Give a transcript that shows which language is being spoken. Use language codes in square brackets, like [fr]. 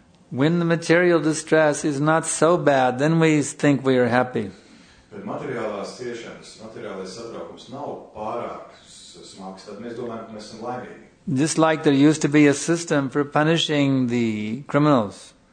[en] When the material distress is not so bad, then we think we are happy. [lv] But materiālās ciešanas, materiālais satraukums nav pārāk smags, tad mēs domājam, ka mēs esam laimīgi. [en] Just like there used to be a system for punishing the criminals.